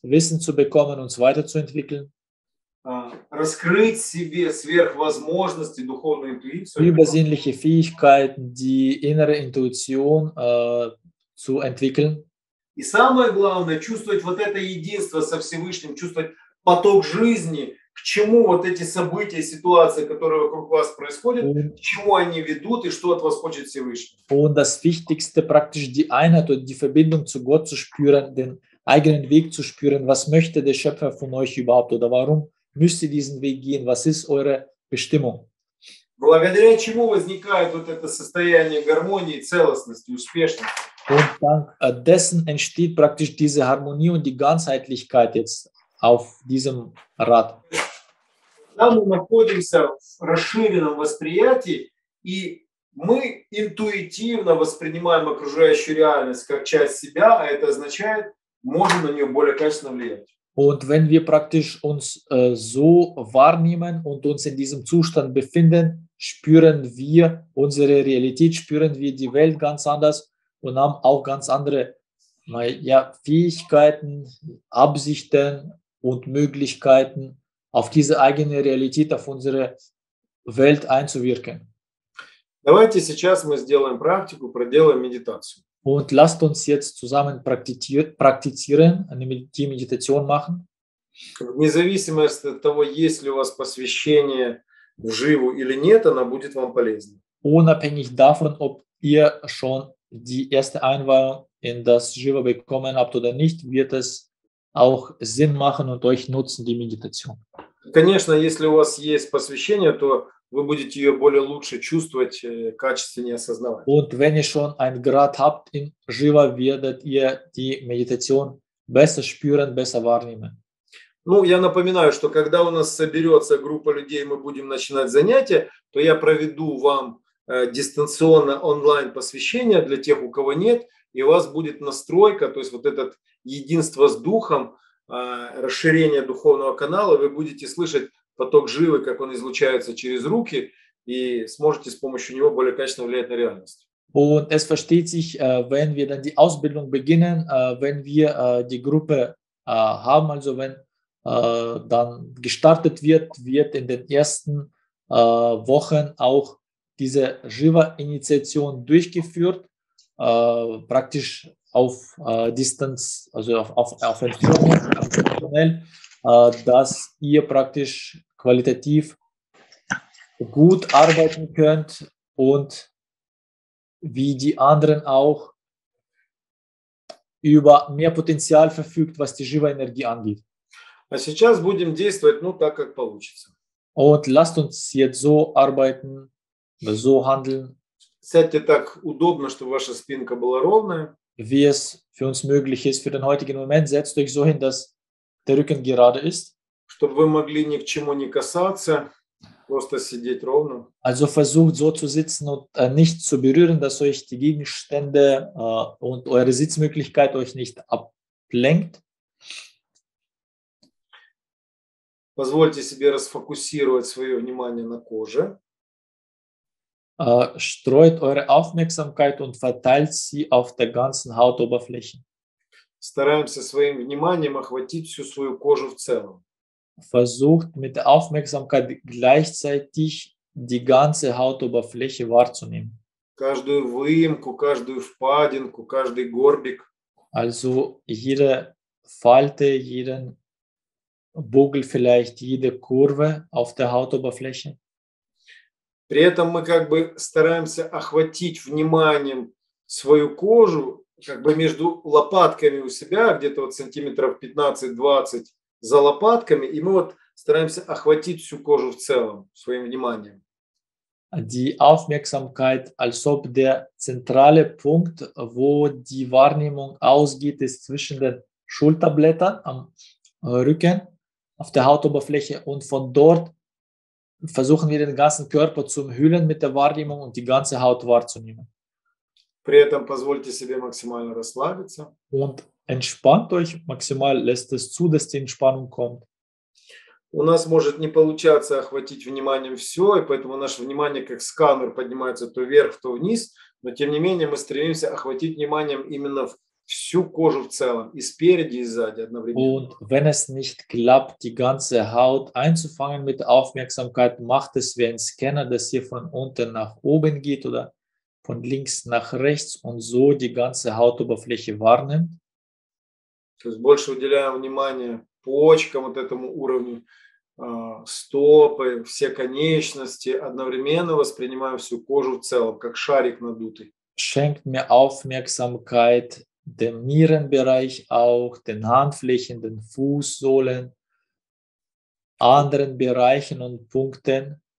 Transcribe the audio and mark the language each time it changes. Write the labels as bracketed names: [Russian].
[German] Wissen zu bekommen, uns weiterzuentwickeln. [Russian] Раскрыть себе сверхвозможности, духовную интуицию. [German] Übersinnliche Fähigkeiten, die innere Intuition zu entwickeln. [Russian] И самое главное, чувствовать вот это единство со Всевышним, чувствовать поток жизни, к чему вот эти события, ситуации, которые вокруг вас происходят, к чему они ведут и что от вас хочет Всевышний. [German] Und das Wichtigste praktisch die Einheit und die Verbindung zu Gott zu spüren, den eigenen Weg zu spüren, was möchte der Schöpfer von euch überhaupt oder warum müsst ihr diesen Weg gehen, was ist eure Bestimmung? [Russian] Благодаря чему возникает вот это состояние гармонии, целостности, успешности? [German] Und dank dessen entsteht praktisch diese Harmonie und die Ganzheitlichkeit jetzt auf diesem Rad. [Russian] Когда мы находимся в расширенном восприятии, и мы интуитивно воспринимаем окружающую реальность как часть себя, а это означает, можем на нее более качественно влиять. [German] Und wenn wir praktisch uns so wahrnehmen und uns in diesem Zustand befinden, spüren wir unsere Realität, spüren wir die Welt ganz anders und haben auch ganz andere Fähigkeiten, Absichten und Möglichkeiten, auf diese eigene Realität, auf unsere Welt einzuwirken. [Russian] Давайте сейчас мы сделаем практику, проделаем медитацию. [German] Und lasst uns jetzt zusammen praktizieren, die Meditation machen. [Russian] Независимо от того, есть ли у вас посвящение в живу или нет, она будет вам полезна. [German] Unabhängig davon, ob ihr schon die erste Einweihung in das Jiva bekommen habt oder nicht, wird es auch Sinn machen und euch nutzen, die Meditation. [Russian] Конечно, если у вас есть посвящение, то вы будете ее более лучше чувствовать, качественнее осознавать. [German] Und wenn ihr schon einen Grad habt in Jiva, werdet ihr die Meditation besser spüren, besser wahrnehmen. [Russian] Ну, я напоминаю, что когда у нас соберется группа людей, мы будем начинать занятия, то я проведу вам дистанционно онлайн посвящение для тех, у кого нет, и у вас будет настройка, то есть вот это единство с духом, расширение духовного канала, вы будете слышать поток живы, как он излучается через руки, и сможете с помощью него более качественно влиять на реальность. [German] Und es versteht sich, wenn wir dann die Ausbildung beginnen, wenn wir die Gruppe haben, also wenn dann gestartet wird, wird in den ersten Wochen auch diese Jiva-Initiation durchgeführt, praktisch auf Distanz, also auf Entfernung, professionell, dass ihr praktisch qualitativ gut arbeiten könnt und wie die anderen auch über mehr Potenzial verfügt, was die Jiva-Energie angeht. [Russian] А сейчас будем действовать, ну, так, как получится. [German] Und lasst uns jetzt so arbeiten, so handeln. [Russian] Сядьте так удобно, чтобы ваша спинка была ровная. [German] Wie es für uns möglich ist, für den heutigen Moment, setzt euch so hin, dass der Rücken gerade ist. [Russian] Чтобы вы могли ни к чему не касаться, просто сидеть ровно. [German] Also versucht so zu sitzen und nicht zu berühren, dass euch die Gegenstände und eure Sitzmöglichkeit euch nicht ablenkt. [Russian] Позвольте себе расфокусировать свое внимание на коже. [German] Streut eure Aufmerksamkeit und verteilt sie auf der ganzen Hautoberfläche. [Russian] Стараемся своим вниманием охватить всю свою кожу в целом. [German] Versucht mit der Aufmerksamkeit gleichzeitig die ganze Hautoberfläche wahrzunehmen. [Russian] Каждую выемку, каждую впадинку, каждый горбик. [German] Also jede Falte, jeden Бугл, vielleicht jede Kurve auf der Hautoberfläche. [Russian] При этом мы как бы стараемся охватить вниманием свою кожу, как бы между лопатками у себя, где-то вот сантиметров 15-20 за лопатками, и мы вот стараемся охватить всю кожу в целом своим вниманием. [German] Die Aufmerksamkeit, als ob der zentrale Punkt, wo die Wahrnehmung ausgeht, ist zwischen den Schulterblättern am Rücken, auf der Hautoberfläche und von dort versuchen wir den ganzen Körper zu umhüllen mit der Wahrnehmung und die ganze Haut wahrzunehmen. [Russian] При этом позвольте себе максимально расслабиться. [German] Und entspannt euch maximal, lässt es zu, dass die Entspannung kommt. [Russian] У нас может не получаться охватить вниманием все, и поэтому наше внимание как сканер поднимается то вверх, то вниз, но тем не менее мы стремимся охватить вниманием именно всю кожу в целом, и спереди, и сзади одновременно. [German] Und wenn es nicht klappt, die ganze Haut einzufangen mit Aufmerksamkeit, macht es wie ein Scanner, dass ihr von unten nach oben geht oder von links nach rechts und so die ganze Hautoberfläche wahrnimmt. [Russian] То есть больше уделяем внимание почкам, вот этому уровню, стопы, все конечности, одновременно воспринимая всю кожу в целом, как шарик надутый. [German] Schenkt mir Aufmerksamkeit dem Nierenbereich auch, den Handflächen, den Fußsohlen, anderen Bereichen und Punkten.